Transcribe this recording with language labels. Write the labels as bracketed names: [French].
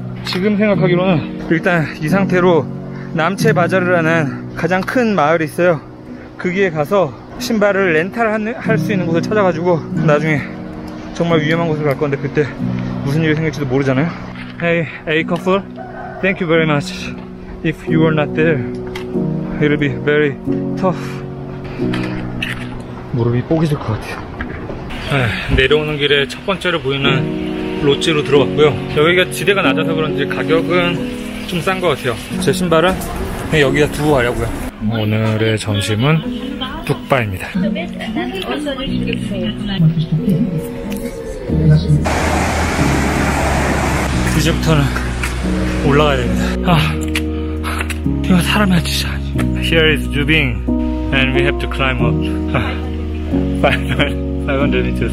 [Korean] 지금 생각하기로는 일단 이 상태로 남체 바자르라는 가장 큰 마을이 있어요. 거기에 가서 신발을 렌탈할 수 있는 곳을 찾아가지고 나중에 정말 위험한 곳을 갈 건데 그때 무슨 일이 생길지도 모르잖아요. [English] Hey, A couple, thank you very much. If you are not there, it'll be very tough. [Korean] 무릎이 뽀개질 것 같아요. 내려오는 길에 첫 번째로 보이는 롯지로 들어왔고요. 여기가 지대가 낮아서 그런지 가격은 좀 싼 것 같아요. 제 신발은 여기다 두고 가려고요. 오늘의 점심은 뚝바입니다. 이제부터는 올라가야 됩니다. 이거 사람이야 진짜. [English] Here is Jubing and we have to climb up 500 meters.